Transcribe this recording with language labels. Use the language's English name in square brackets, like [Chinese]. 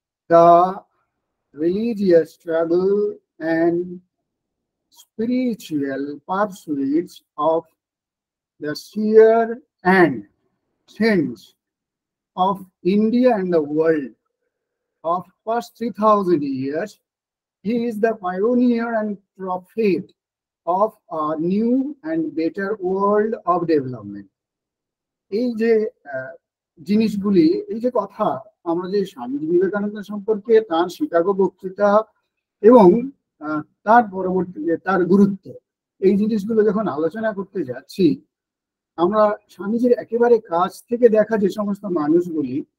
[English] The religious struggle and spiritual pursuits of the seer and sense of India and the world of past 3000 years. He is the pioneer and prophet of a new and better world of development. [Bangla] এই যে জিনিসগুলি, এই যে কথা, আমরা যে স্বামী বিবেকানন্দ সম্পর্কে তার শিকাগো বক্তৃতা এবং তার পরবর্তী তার গুরুত্ব, এই জিনিসগুলো যখন আলোচনা করতে যাচ্ছি, আমরা স্বামীজির একেবারে কাছ থেকে দেখা যে সমস্ত মানুষগুলি,